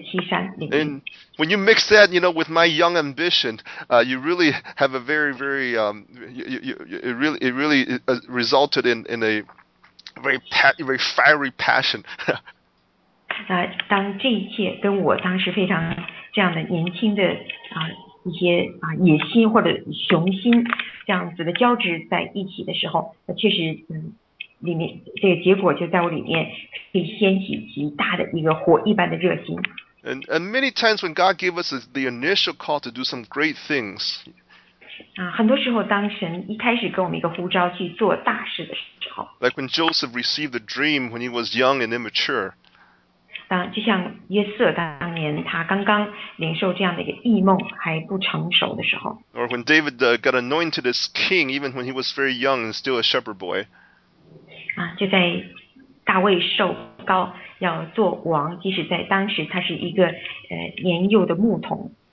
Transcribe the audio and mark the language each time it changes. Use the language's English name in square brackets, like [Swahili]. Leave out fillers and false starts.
[English] And when you mix that, you know, with my young ambition, you really have a very, very, it really resulted in a very, very fiery passion. [Chinese] 当这一切跟我当时非常这样的年轻的一些野心或者雄心这样子的交织在一起的时候，确实里面这个结果就在我里面可以掀起极大的一个火一般的热心。 [English] And many times when God gave us the initial call to do some great things, [Chinese] 很多时候当神一开始给我们一个呼召去做大事的时候 [English] ，like when Joseph received the dream when he was young and immature, [Chinese] 就像约瑟当年他刚刚领受这样的一个异梦还不成熟的时候 [English] ，or when David got anointed as king even when he was very young and still a shepherd boy。 [Chinese] 就在大卫受膏要做王，即使在当时他是一个年幼的牧童。